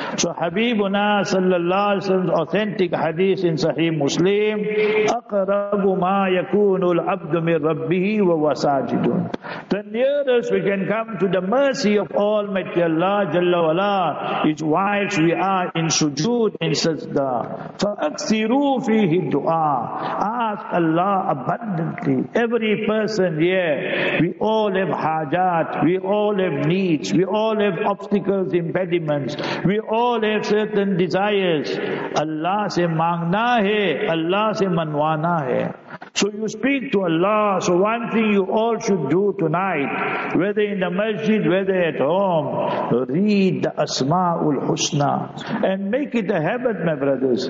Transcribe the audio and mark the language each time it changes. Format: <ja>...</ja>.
<en>So Habibuna sallallahu alayhi wa sallam's authentic hadith in Sahih Muslim,</en> <ar>aqrabu ma yakunu al-abdu min rabbihi wa wasajidun.</ar> <en>The nearest we can come to the mercy of Almighty Allah Jalla Wala is whilst we are in sujood, in sajda.</en> <ar>فَأَكْثِرُوا فِيهِ</ar> <en>dua. Ask Allah abundantly. Every person here, we all have hajat, we all have needs, we all have obstacles, impediments, we all have certain desires.</en> <ur>Allah se mangna hai, Allah se manwana hai.</ur> <en>So you speak to Allah. So one thing you all should do tonight, whether in the masjid, whether at home, read the Asma'ul Husna and make it a habit, my brothers.</en>